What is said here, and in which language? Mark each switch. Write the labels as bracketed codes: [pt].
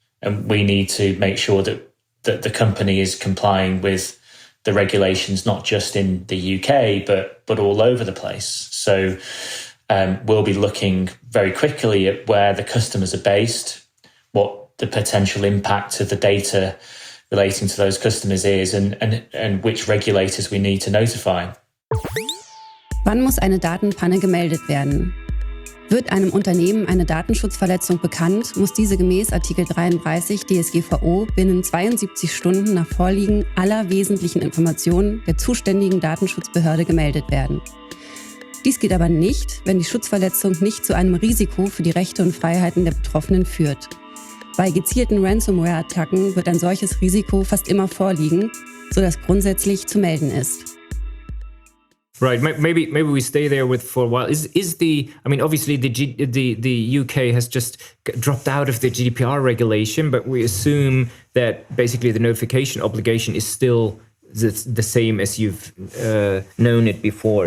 [en] And we need to make sure that the company is complying with the regulations, not just in the UK, but all over the place. So we'll be looking very quickly at where the customers are based, what the potential impact of the data relating to those customers is, and which regulators we need to notify. [de] Wann muss eine Datenpanne gemeldet werden? Wird einem Unternehmen eine Datenschutzverletzung bekannt, muss diese gemäß Artikel 33 DSGVO binnen 72 Stunden nach Vorliegen aller wesentlichen Informationen der zuständigen Datenschutzbehörde gemeldet werden. Dies geht aber nicht, wenn die Schutzverletzung nicht zu einem Risiko für die Rechte und Freiheiten der Betroffenen führt. Bei gezielten Ransomware-Attacken wird ein solches Risiko fast immer vorliegen, sodass grundsätzlich zu melden ist. [en] Right, maybe we stay there with for a while. Obviously the UK has just dropped out of the GDPR regulation, but we assume that basically the notification obligation is still the same as you've known it before.